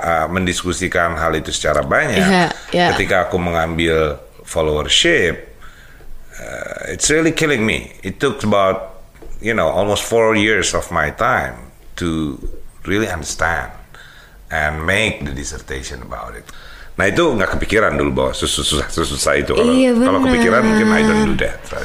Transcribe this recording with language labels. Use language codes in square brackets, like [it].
[id] mendiskusikan hal itu secara banyak. [en] Yeah. [id] Ketika aku mengambil [en] followership, it's really killing me. It took about, you know, almost 4 years of my time to really understand and make the dissertation about it. [id] Nah itu nggak kepikiran dulu bahwa susah itu. Kalau kepikiran mungkin [en] I don't do that.